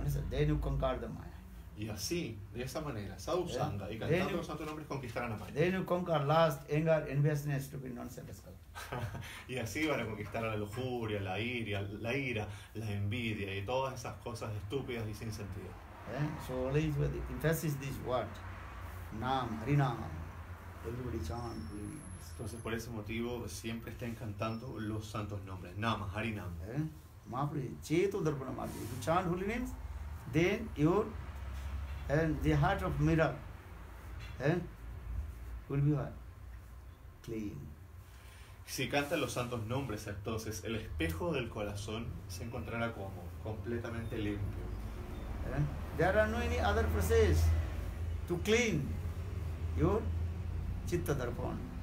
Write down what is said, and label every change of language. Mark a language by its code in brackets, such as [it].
[en] Then you conquer the Maya. [es] Y así, de esa manera, Sadhu Sangha y cantando los santos nombres conquistarán a Maya. [en] Then you conquer lust, anger, enviousness, stupid nonsense. [es] Y así van a conquistar a la lujuria, la ira, la envidia y todas esas cosas estúpidas y sin sentido. [en] So always with the emphasis this word, Nam, Harinam, everybody chant, please. [es] Entonces, por ese motivo, siempre estén cantando los santos nombres. [sa] Nama, Harinam. [en] Mahaprabhu, Chetu Darpana Mahaprabhu. If you chant holy names, then your the heart of mirror will be what? Clean. [es] Si cantan los santos nombres, entonces el espejo del corazón se encontrará como completamente limpio. [en] There are no any other process to clean your Chitta Darpana.